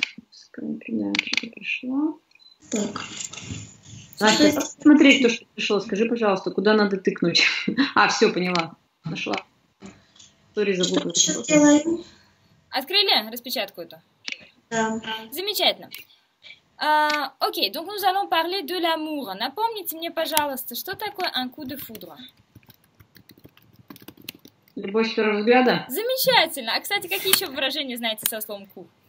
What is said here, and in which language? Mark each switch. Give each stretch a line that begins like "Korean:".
Russian: Скажем, что пришло. Так... Настя, посмотри то, что пришло. Скажи, пожалуйста, куда надо тыкнуть? А, все, поняла. Нашла. Сори, забыла. Что делаем? Открыли распечатку эту? Да. Замечательно. Окей,
French: donc nous allons parler de l'amour.
Russian: Напомните мне, пожалуйста, что такое
French: un coup de foudre?
Russian: Любовь с первого взгляда? Замечательно. А, кстати, какие еще выражения знаете со словом coup?